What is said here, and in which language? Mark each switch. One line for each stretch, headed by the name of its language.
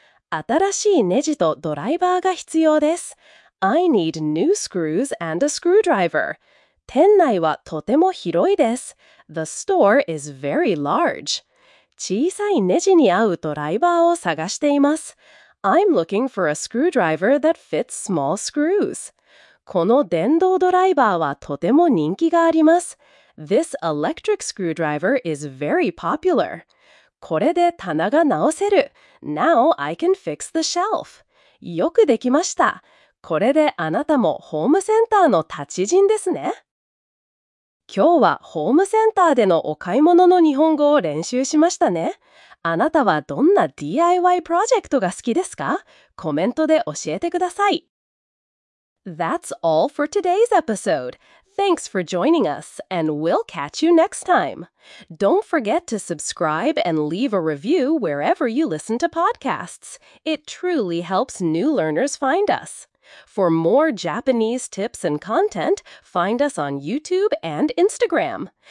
Japanese: 新しいネジとドライバーが必要です。
English: I need new screws and a screwdriver.
Japanese: 店内はとても広いです。
English: The store is very large.
Japanese: 小さいネジに合うドライバーを探しています。
English: I'm looking for a screwdriver that fits small screws.
Japanese: この電動ドライバーはとても人気があります。
English: This electric screwdriver is very popular.
Japanese: これで棚が直せる。
English: Now I can fix the shelf.
Japanese: よくできました。これであなたもホームセンターの達人ですね。今日はホームセンターでのお買い物の日本語を練習しましたね。あなたはどんな DIY プロジェクトが好きですか？コメントで教えてください。
English: That's all for today's episode. Thanks for joining us, and we'll catch you next time. Don't forget to subscribe and leave a review wherever you listen to podcasts. It truly helps new learners find us. For more Japanese tips and content, find us on YouTube and Instagram.